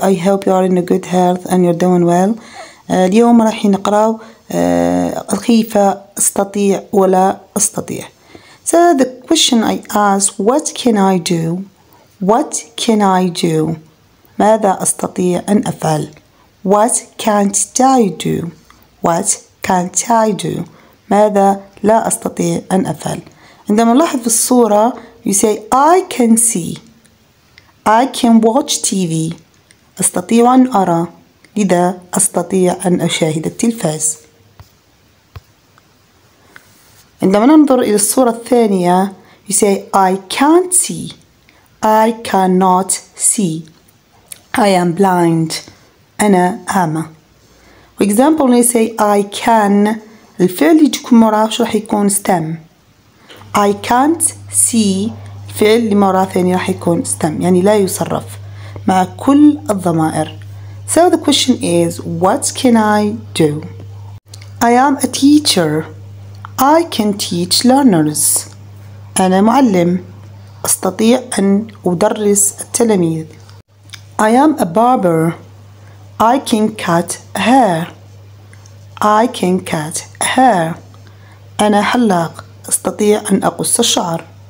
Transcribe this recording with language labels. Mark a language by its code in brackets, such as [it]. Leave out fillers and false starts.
[en] I hope you are in a good health and you're doing well. [ar] اليوم راح نقرأ كيف استطيع ولا استطيع. [en] So the question I ask, what can I do? What can I do? [ar] ماذا استطيع ان افعل? [en] What can't I do? What can't I do? [ar] ماذا لا استطيع ان افعل? عندما نلاحظ الصورة [en] You say, I can see. I can watch TV. [ar] أستطيع أن أرى. لذا أستطيع أن أشاهد التلفاز. عندما ننظر إلى الصورة الثانية, [en] You say, I can't see. I cannot see. I am blind. [ar] أنا أعمى. [en] For example, when you say, I can, [ar] الفعل اللي يجيكم مرافش رح يكون [en] stem. I can't see [ar] فعل لمرة ثانية راح يكون stem يعني لا يصرف مع كل الضمائر. [en] So the question is what can I do? I am a teacher. I can teach learners. [ar] أنا معلم أستطيع أن أدرس التلاميذ. [en] I am a barber. I can cut hair. I can cut hair. [ar] أنا حلاق أستطيع أن أقص الشعر.